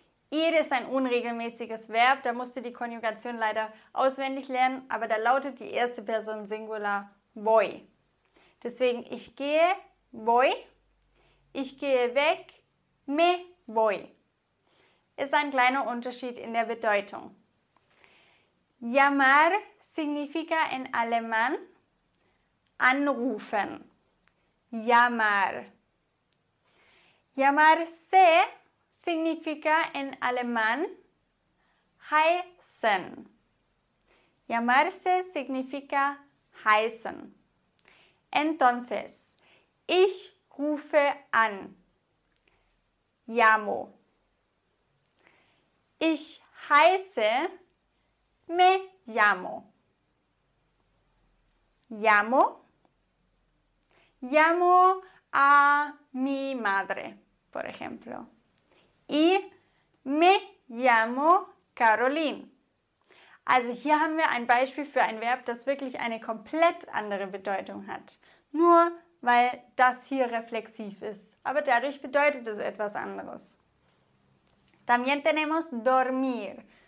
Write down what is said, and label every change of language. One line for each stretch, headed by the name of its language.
German: Ir ist ein unregelmäßiges Verb, da musst du die Konjugation leider auswendig lernen, aber da lautet die erste Person Singular voy. Deswegen, ich gehe, voy. Ich gehe weg,
Spanish: me voy.
German: Ist ein kleiner Unterschied in der Bedeutung.
Spanish: Llamar significa en alemán anrufen. Llamar. Llamarse significa en alemán heißen. Llamarse significa heißen. Entonces,
German: ich rufe an.
Spanish: Llamo.
German: Ich heiße,
Spanish: me llamo. Llamo. Llamo a mi madre, por ejemplo. Y me llamo Caroline.
German: Also hier haben wir ein Beispiel für ein Verb, das wirklich eine komplett andere Bedeutung hat. Nur weil das hier reflexiv ist. Aber dadurch bedeutet es etwas anderes.
Spanish: También tenemos dormir.